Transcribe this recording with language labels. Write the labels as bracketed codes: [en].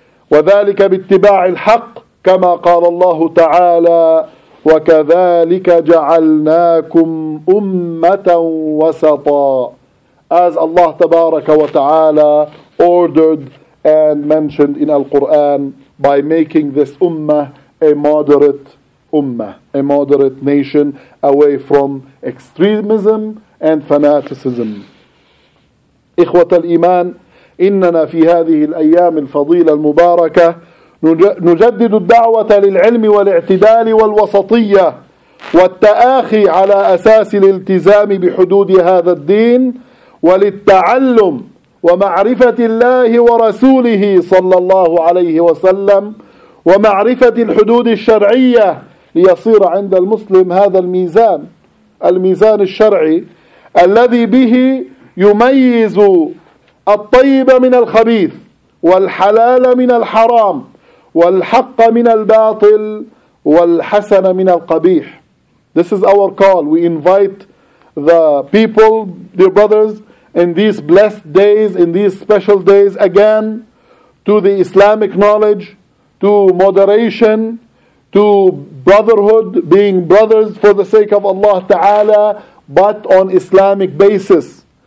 [ar] وَذَلِكَ بِاتِّبَاعِ الْحَقِّ كَمَا قَالَ اللَّهُ تَعَالَى وَكَذَلِكَ جَعَلْنَاكُمْ أُمَّةً وَسَطًا, [en] as Allah [ar] تبارك وتعالى [en] ordered and mentioned in Al-Quran, by making this ummah a moderate ummah, a moderate nation, away from extremism and fanaticism. [ar] إخوة الإيمان, إننا في هذه الأيام الفضيلة المباركة نجدد الدعوة للعلم والاعتدال والوسطية والتآخي على أساس الالتزام بحدود هذا الدين وللتعلم ومعرفة الله ورسوله صلى الله عليه وسلم ومعرفة الحدود الشرعية, ليصير عند المسلم هذا الميزان, الميزان الشرعي الذي به يميز الطيب من الخبيث والحلال من الحرام والحق من الباطل والحسن من القبيح. [en] This is our call. We invite the people, dear brothers, in these blessed days, in these special days, again to the Islamic knowledge, to moderation, to brotherhood, being brothers for the sake of Allah Ta'ala, but on Islamic basis,